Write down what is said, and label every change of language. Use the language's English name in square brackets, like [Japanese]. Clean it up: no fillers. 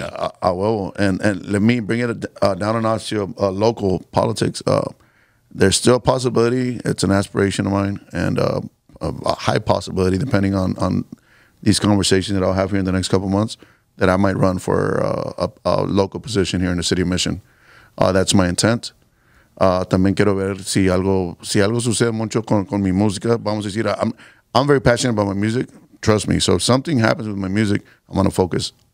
[English] I will. And let me bring it down a notch to local politics. There's still a possibility. It's an aspiration of mine, and a high possibility, depending on these conversations that I'll have here in the next couple months, that I might run for a local position here in the city of Mission. That's my intent. [Spanish] También quiero ver si algo sucede mucho con mi música. Vamos a decir, [English] I'm very passionate about my music. Trust me. So if something happens with my music, I'm going to focus.